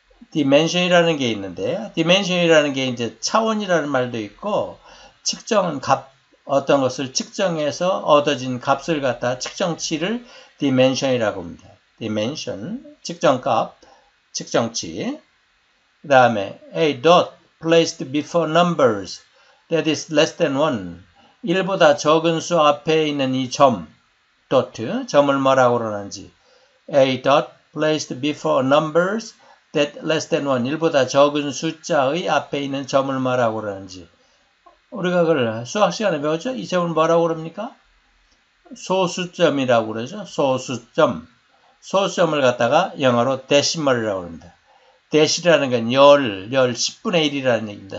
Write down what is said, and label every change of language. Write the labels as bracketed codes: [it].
[ko] 디멘션이라는 게 있는데, 디멘션이라는 게 이제 차원이라는 말도 있고, 측정은 값, 어떤 것을 측정해서 얻어진 값을 갖다 측정치를 디멘션이라고 합니다. 디멘션, 측정값, 측정치. 그 다음에 [en] a dot placed before numbers that is less than one. [ko] 1보다 적은 수 앞에 있는 이 점, dot, 점을 뭐라고 그러는지. [en] a dot placed before numbers that less than one. [ko] 1보다 적은 숫자의 앞에 있는 점을 뭐라고 그러는지. 우리가 그걸 수학 시간에 배웠죠? 이 점을 뭐라고 그럽니까? 소수점이라고 그러죠? 소수점. 소수점을 갖다가 영어로 decimal이라고 합니다. 10이라는 건 10, 10분의 1이라는 얘기입니다.